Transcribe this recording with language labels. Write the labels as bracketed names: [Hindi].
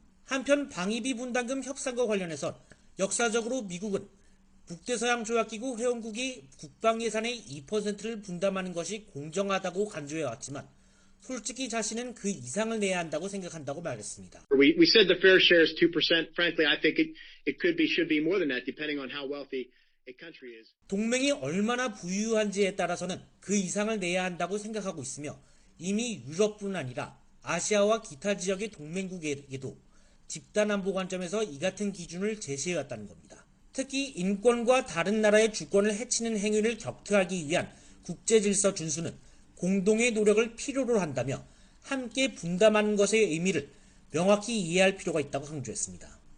[Korean] 한편 방위비 분담금 협상과 관련해선 역사적으로 미국은 북대서양 조약기구 회원국이 국방예산의 2%를 분담하는 것이 공정하다고 강조해왔지만 솔직히 자신은 그 이상을 내야 한다고 생각한다고 말했습니다. [English] We said the fair share is 2%. Frankly, I think it could be, should be more than that, depending on how wealthy a country is. [Korean] 동맹이 얼마나 부유한지에 따라서는 그 이상을 내야 한다고 생각하고 있으며 이미 유럽뿐 아니라 아시아와 기타 지역의 동맹국에게도 집단 안보 관점에서 이 같은 기준을 제시해왔다는 겁니다. 특히 인권과 다른 나라의 주권을 해치는 행위를 격퇴하기 위한 국제질서 준수는 공동의 노력을 필요로 한다며 함께 분담하는 것의 의미를 명확히 이해할 필요가 있다고 강조했습니다.